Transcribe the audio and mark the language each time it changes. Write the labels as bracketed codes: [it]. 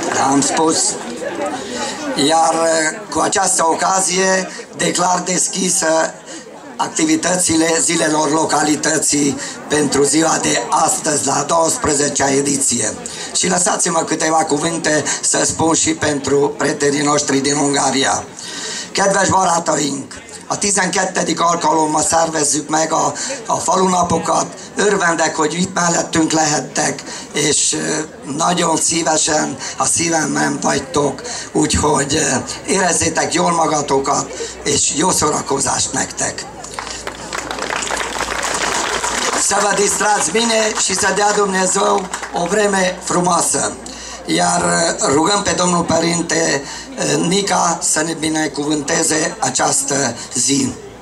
[ro] Am spus. Iar cu această ocazie declar deschisă activitățile zilelor localității pentru ziua de astăzi, la 12-a ediție. Și lăsați-mă câteva cuvinte să spun și pentru prietenii noștri din Ungaria. [hu] Kedves barátaink, a 12. alkalommal szervezzük meg a falunapokat. Örvendek, hogy itt mellettünk lehettek, és nagyon szívesen a szívemben vagytok, úgyhogy érezzétek jól magatokat, és jó szórakozást nektek! [ro] Să vă distrați bine și să dea Dumnezeu o vreme frumoasă. Iar rugăm pe Domnul Părinte Nica să ne binecuvânteze această zi.